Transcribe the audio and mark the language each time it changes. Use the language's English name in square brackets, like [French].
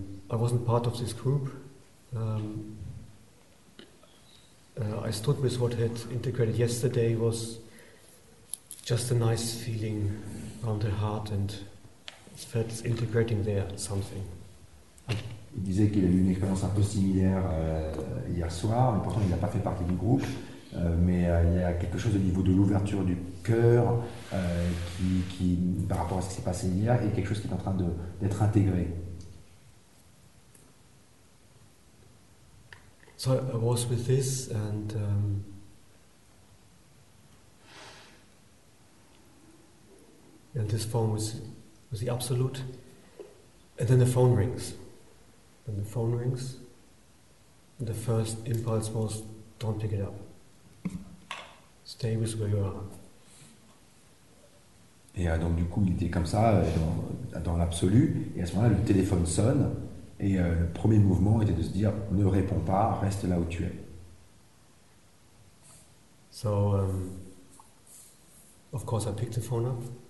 [English] I wasn't part of this group. I stood with what had integrated yesterday. It was just a nice feeling around the heart, and it felt integrating there something. [French] Il disait qu'il a eu une expérience un peu similaire hier soir, mais pourtant il n'a pas fait partie du groupe. Mais il y a quelque chose au niveau de l'ouverture du cœur qui, par rapport à ce qui s'est passé hier, est quelque chose qui est en train d'être intégré. [English] So I was with this and and this phone was the absolute, and then the phone rings. When the phone rings, the first impulse was, don't pick it up. Stay with where you are. [French] Et donc du coup, il était comme ça, dans l'absolu, et à ce moment-là, le téléphone sonne, et le premier mouvement était de se dire, ne réponds pas, reste là où tu es. [English] So, of course, I picked the phone up.